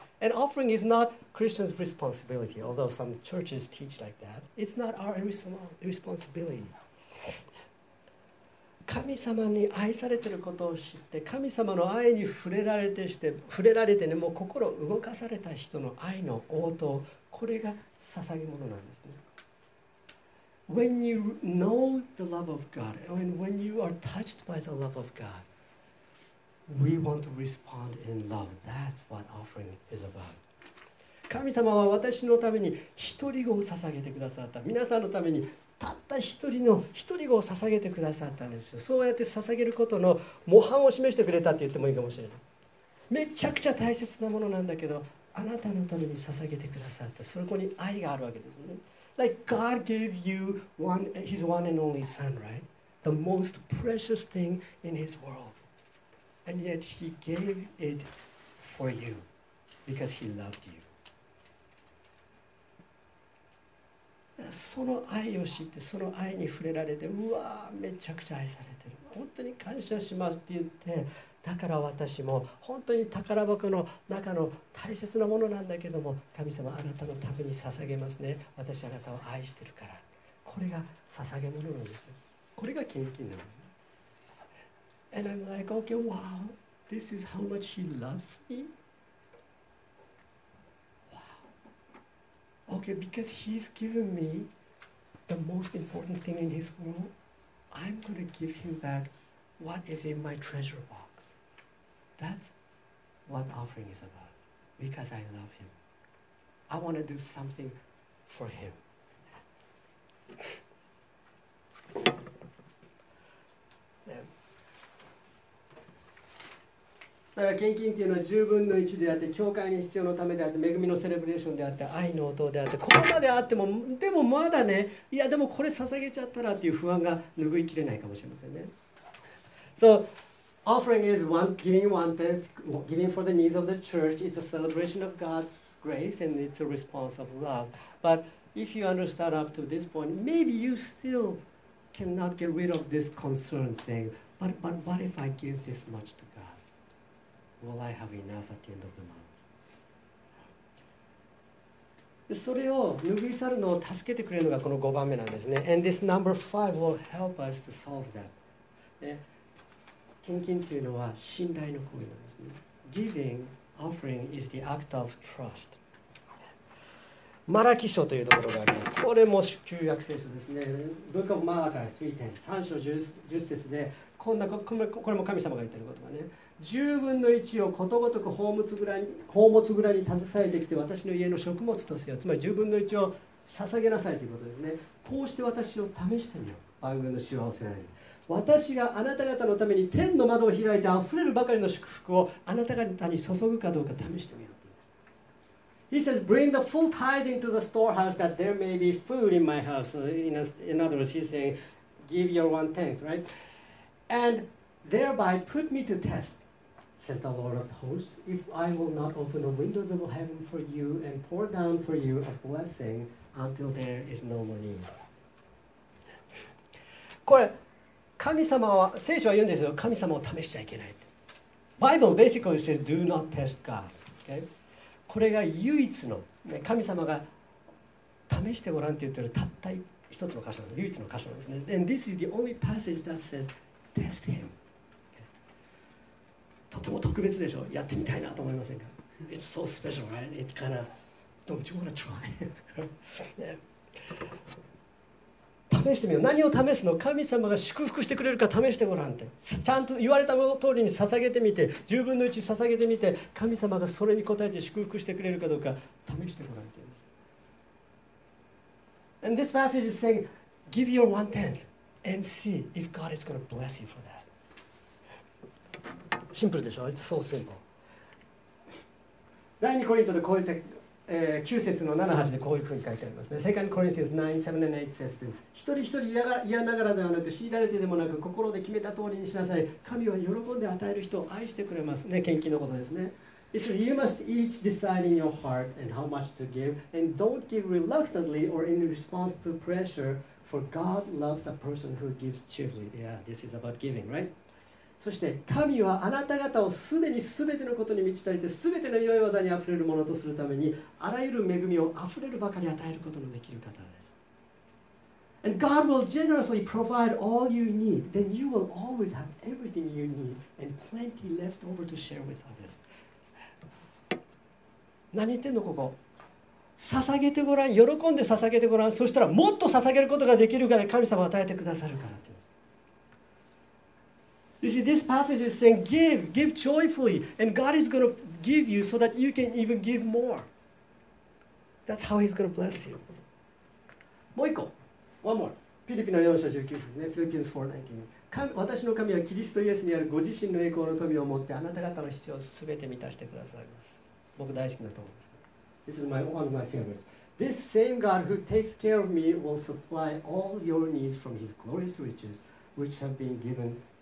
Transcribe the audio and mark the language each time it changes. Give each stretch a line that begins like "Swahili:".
English: And offering is not Christians' responsibility, although some churches teach like that. It's not our responsibility.
Japanese: 神様に愛されていることを知って、神様の愛に触れられてして、触れられてね、もう心動かされた人の愛の応答、これが捧げ物なんですね。
English: When you know the love of God, and when you are touched by the love of God,We want to respond in love. That's what offering is about.
Japanese: 神様は私のために一人子を捧げてくださった。皆さんのためにたった一人の一人子を捧げてくださったんですよ。そうやって捧げることの模範を示してくれたって言ってもいいかもしれない。めちゃくちゃ大切なものなんだけど、あなたのために捧げてくださった。そこに愛があるわけですね。
English: Like God gave you his one and only son, right? The most precious thing in his world. And yet he gave it for you because he loved you.
Japanese: その愛を知って、その愛に触れられて、うわー、めちゃくちゃ愛されてる。本当に感謝しますって言って、だから私も本当に宝箱の中の大切なものなんだけども、神様あなたのために捧げますね。私あなたを愛してるから。これが捧げ物なんですよ。これが献金なんです。
English: And I'm like, okay, wow, this is how much he loves me. Wow. Okay, because he's given me the most important thing in his world, I'm going to give him back what is in my treasure box. That's what offering is about. Because I love him. I want to do something for him.
Japanese: だから献金っていうのは十分の一であって、教会に必要のためであって、恵みのセレブレーションであって、愛の音であって、ここまであっても、でもまだね、いやでもこれ捧げちゃったらっていう不安が拭いきれないかもしれませんね。
English: So, offering is giving one tenth, giving for the needs of the church. It's a celebration of God's grace and it's a response of love. But if you understand up to this point, maybe you still cannot get rid of this concern saying, but what if I give this much to God? Will I have enough at the end of the month?
Japanese: それを拭い去るのを助けてくれるのがこの5番目なんですね。
English: And this number five will help us to solve that.、
Japanese: ね、献金というのは信頼の行為なんですね。
English: Giving, offering is the act of trust.
Japanese: マラキ書というところがあります。これも旧約聖書ですね。 Book of Malachi 3:10、3章10節で、こんなこれも神様が言っている言葉ね。十分の一をことごとく宝物蔵に携えてきて私の家の食物とせよ。つまり十分の一を捧げなさいということですね。こうして私を試してみよう。万軍の主はおせない。私があなた方のために天の窓を開いてあふれるばかりの祝福をあなた方に注ぐかどうか試してみよう。
English: He says, bring the full tithe into the storehouse that there may be food in my house. In other words, he's saying, give your one tenth, right? And thereby put me to test. Says the Lord of hosts, if I will not open the windows of heaven for you and pour down for you a blessing until there is no more need.
Japanese: これ、神様は、聖書は言うんですよ。神様を試しちゃいけない。
English: Bible basically says, do not test God. Okay?
Japanese: これが唯一の、ね、神様が試してごらんって言ってるたった一つの箇所、唯一の箇所ですね。
English: And this is the only passage that says, test him.
Japanese: とても特別でしょ。やってみたいなと思いませんか。
English: It's so special, right? It's kind of, don't you wanna try? 、
Japanese: ね、試してみよう。何を試すの？神様が祝福してくれるか試してごらんって。ちゃんと言われた通りに捧げてみて、十分の一捧げてみて、神様がそれに応えて祝福してくれるかどうか試してごらんって言うんです。
English: And this passage is saying, give your one tenth and see if God is going to bless you for that.
Japanese: シンプルでしょ?
English: It's so simple.
Japanese: 第2コリントでこういった、9節の7、8でこういうふうに書いてありますね。
English: 2 Corinthians 9, 7 and 8 says this.
Japanese: 一人一人嫌ながらではなく、強いられてでもなく、心で決めた通りにしなさい。神は喜んで与える人を愛してくれますね。献金のことですね。
English: It says, you must each decide in your heart and how much to give, and don't give reluctantly or in response to pressure, for God loves a person who gives cheerfully. Yeah, this is about giving, right?
Japanese: そして神はあなた方をすでにすべてのことに満ち足りてすべての良い技にあふれるものとするためにあらゆる恵みをあふれるばかり与えることのできる方です。
English: And God will generously provide all you need. Then you will always have everything you need and plenty left over to share with others.
Japanese: 何言ってんのここ。捧げてごらん、喜んで捧げてごらん。そしたらもっと捧げることができるから神様与えてくださるからって。
English: You see, this passage is saying, give, give joyfully, and God is going to give you so that you can even give more. That's how He's going to bless you.
Japanese: もう一個、
English: one more.
Japanese: フィリピの4章19節ですね。フィリピンズ 4:19. 私の神はキリストイエスにあるご自身の栄光の富をもってあなた方の必要をすべて満たしてくださいます。僕大好きなと思います。
English: This is one of my favorites. This same God who takes care of me will supply all your needs from His glorious riches, which have been given.